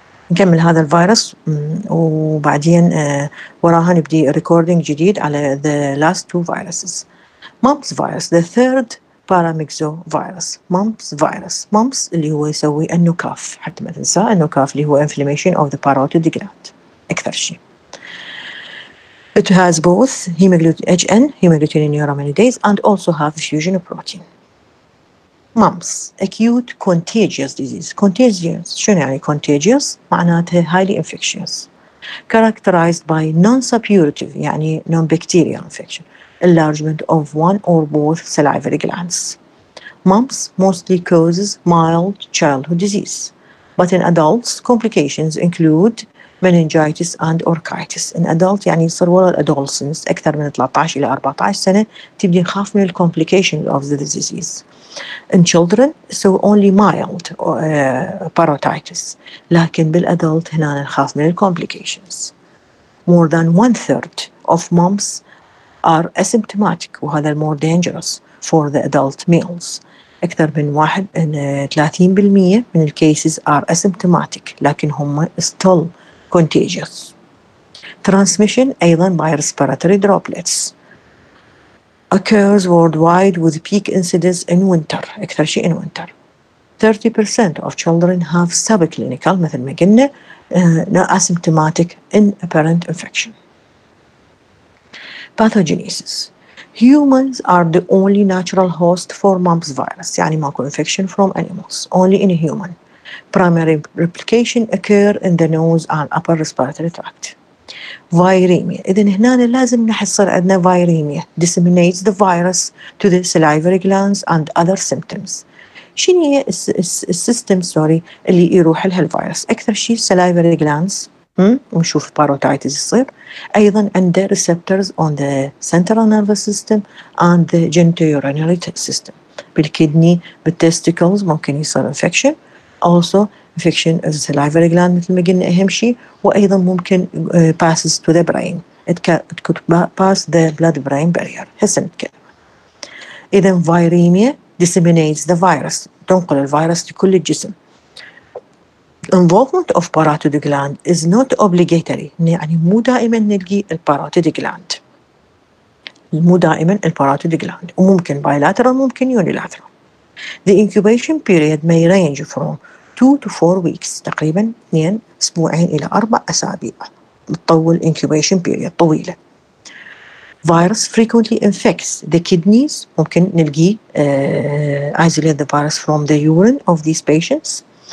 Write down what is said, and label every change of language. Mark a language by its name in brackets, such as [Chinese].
[Arabic] نكمل هذا الفيروس وبعدين وراها نبدي [English] recording [Arabic] جديد على [English] The last two viruses mumps virus the third Paramyxovirus, mumps virus. [Arabic] Mumps اللي هو يسوي النكاف. حتى ما تنسى النكاف اللي هو [English] inflammation of the parotid gland. [Arabic] أكثر شيء. [English] It has both HN, hemagglutinin neuraminidase, and also have fusion protein. Mumps, acute contagious disease. Contagious, [Arabic] شنو يعني [English] contagious؟ [Arabic] معناته [English] highly infectious. Characterized by non-suppurative, [Arabic] يعني [English] non-bacterial infection. Enlargement of one or both salivary glands. Mumps mostly causes mild childhood disease, but in adults, complications include meningitis and orchitis. In adults, [Arabic] يعني صار ولا الأدولسنس أكثر من 13 إلى 14 سنة تبدي خاف من [English] complications of the disease. In children, so only mild parotitis. [Arabic] لكن بالأدولت هنا نخاف من complications. [English] More than 1/3 of mumps are asymptomatic [Arabic] وهذا [English] more dangerous for the adult males. [Arabic] أكثر من 30% من الكيسز [English] are asymptomatic [Arabic] لكن هم [English] still contagious. Transmission [Arabic] أيضا [English] by respiratory droplets occurs worldwide with peak incidence in winter. [Arabic] أكثر شيء [English] in winter. 30% of children have subclinical [Arabic] مثل ما قلنا [English] asymptomatic in apparent infection. Pathogenesis. Humans are the only natural host for mumps virus. [Arabic] يعني ماكو [English] infection from animals. Only in a human. Primary replication occur in the nose and upper respiratory tract. Viremia. [Arabic] إذن هنا لازم نحصل عندنا viremia. [English] Disseminates the virus to the salivary glands and other symptoms. [Arabic] شنو هي السيستم سوري اللي يروح لها الفيروس؟ أكثر شيء [English] salivary glands. [Arabic] ونشوف [English] parotitis [Arabic] يصير أيضا عند [English] receptors on the central nervous system and the genitourinary system [Arabic] بالكيدني بالtesticles ممكن يصير [English] infection also infection of the salivary gland [Arabic] مثل ما قلنا أهم شيء وأيضا ممكن [English] passes to the brain it could pass the blood brain barrier [Arabic] هسه نتكلم إذا [English] viremia disseminates the virus [Arabic] تنقل الفيروس لكل الجسم [English] Involvement of parotid gland is not obligatory. [Arabic] يعني مو دائما نلقي الباروتيد جلاند. مو دائما الباروتيد جلاند. وممكن bilateral ممكن unilateral. [English] The incubation period may range from 2 to 4 weeks, [Arabic] تقريبا 2 أسبوعين إلى 4 أسابيع. الطول [English] incubation period [Arabic] طويلة. [English] Virus frequently infects the kidneys. [Arabic] ممكن نلقي [English] isolate the virus from the urine of these patients.